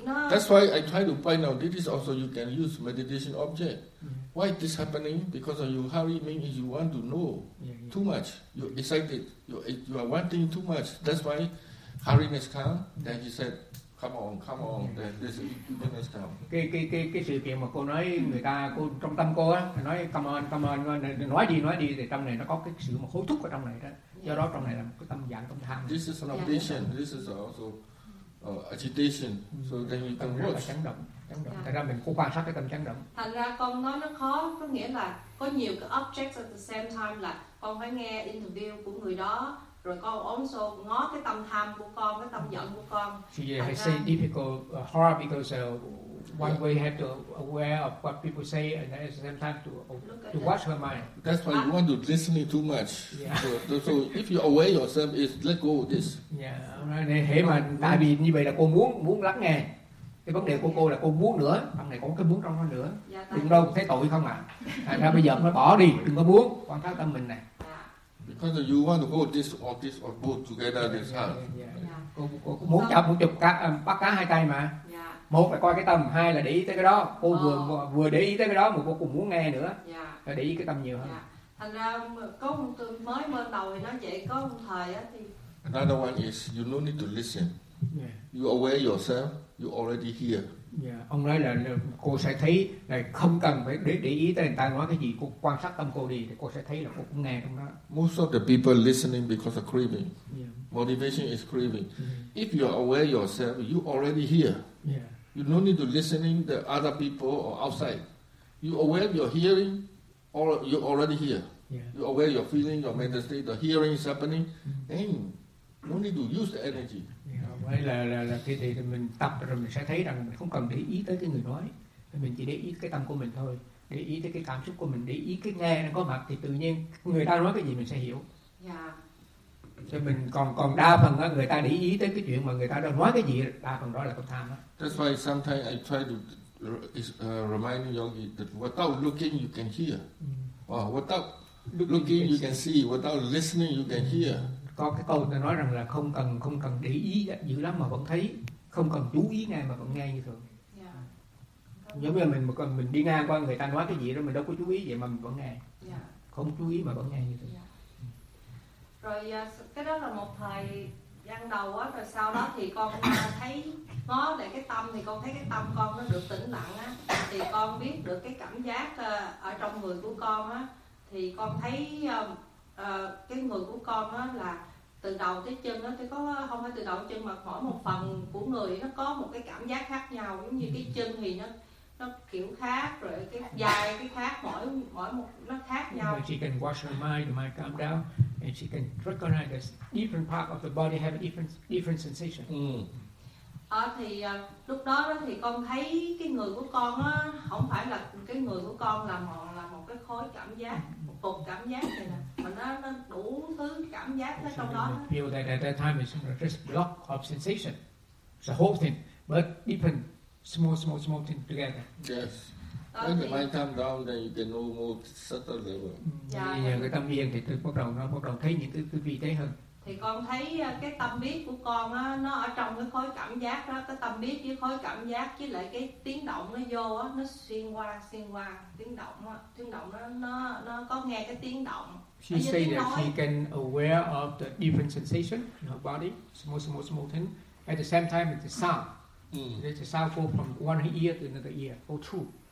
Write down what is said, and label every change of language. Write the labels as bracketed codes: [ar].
[en] That's why I try to find out this is also you can use meditation object. Mm-hmm. Why this happening? Because of your hurry means you want to know too much. You're excited. You are wanting too much. That's why hurriness come. Mm-hmm. Then he said, come on. Mm-hmm. Then this eagerness come. [vi] Cái sự kiện mà cô nói người ta, cô trong tâm cô á, nói [en] come on, [vi] nói đi thì trong này nó có cái sự mà hối thúc ở trong này đó. Do đó trong này là một cái tâm dạng, tâm tham. [en] This is an objection. This is also agitation, so then you can watch. [vi] Chấn động, chấn động. Thành ra mình cố quan sát cái tâm chấn động. Thành ra con nói nó khó, có nghĩa là có nhiều cái [en] objects at the same time, [vi] là con phải nghe interview của người đó, rồi con [en] also [vi] ngó cái tâm tham của con, cái tâm giận của con. [en] Yeah, it's difficult, hard because one way have to aware of what people say and at the same time to watch her mind. That's why you want to listen too much. Yeah. So if you aware yourself, is let go of this. Yeah. [vi] Thế mà tại vì như vậy là cô muốn lắng nghe. Cái vấn đề của cô là cô muốn nữa. Bạn này có cái muốn trong nó nữa. Đừng đâu thấy tội không ạ. Thành ra bây giờ nó bỏ đi. Đừng có muốn. Quan sát tâm mình này. [en] Because you want to hold this or this or both together, this hand. [vi] Cô muốn chụp bắt cá hai tay mà. Một là coi cái tâm, hai là để ý tới cái đó. Cô vừa để ý tới cái đó mà cô cũng muốn nghe nữa. [en] Yeah. [vi] Là để ý cái tâm nhiều hơn. [en] Yeah. [vi] Thành ra có một tôi mới mơ đầu thì nó vậy, có một thời á thì [en] another one is you no need to listen. Yeah. You aware yourself, you already hear. Yeah. [vi] Ông nói là cô sẽ thấy là không cần phải để ý tới người ta nói cái gì, cô quan sát tâm cô đi thì cô sẽ thấy là cô cũng nghe trong đó. [en] Most of the people listening because of craving. Yeah. Motivation is craving. Yeah. If you are aware yourself, you already hear. Yeah. You don't need to listening to other people or outside. You aware your hearing, or you already hear. Yeah. You aware your feeling, your mental state, the hearing is happening. Mm-hmm. And no need to use the energy. [vi] Yeah, vậy là khi thì mình tập rồi mình sẽ thấy rằng mình không cần để ý tới cái người nói, mình chỉ để ý cái tâm của mình thôi, để ý tới cái cảm xúc của mình, để ý cái nghe đang có mặt thì tự nhiên người ta nói cái gì mình sẽ hiểu. Cho mình còn đa phần á, người ta để ý tới cái chuyện mà người ta đang nói cái gì, đa phần đó là tham tham. [en] That's why sometimes I try to remind yogi that without looking you can hear. Mm. Oh, without looking you can see. Without listening you can hear. [vi] Có cái câu người ta nói rằng là không cần để ý dữ lắm mà vẫn thấy, không cần chú ý nghe mà vẫn nghe như thường. [en] Yeah. [vi] Giống như mình đi ngang qua người ta nói cái gì đó mình đâu có chú ý vậy mà mình vẫn nghe. [en] Yeah. [vi] Không chú ý mà vẫn nghe như thường. [en] Yeah. [vi] Rồi cái đó là một thời gian đầu á, rồi sau đó thì con thấy ngó lại cái tâm, thì con thấy cái tâm con nó được tĩnh lặng á, thì con biết được cái cảm giác ở trong người của con á, thì con thấy cái người của con á là từ đầu tới chân á, thì có không phải từ đầu chân mà mỗi một phần của người nó có một cái cảm giác khác nhau, giống như cái chân thì nó kiểu khác, rồi cái vai cái khác, mỗi một nó khác nhau. [en] She can wash her mind, the mind calm down, and she can recognize that different part of the body have a different sensation. [vi] Thì lúc đó thì con thấy cái người của con á, không phải là cái người của con là một cái khối cảm giác, một cục cảm giác này nè, mà nó đủ thứ cảm giác ở trong đó. [en] Feel that at that time it's just block of sensation, it's a whole thing, but different small thing together. Yes. When the mind calm down, then you can move more subtle level. Yeah. [vi] Cái tâm yên thì tôi bắt đầu thấy những thứ vị tế hơn. Thì con thấy cái tâm biết của con á, nó ở trong cái khối cảm giác đó, cái tâm biết với khối cảm giác với lại cái tiếng động nó vô á, nó xuyên qua tiếng động nó có nghe cái tiếng động. [en] She say that she can aware of the different sensation in her body, small thing, at the same time it's the sound. It's a sound go from one ear to another ear, go through.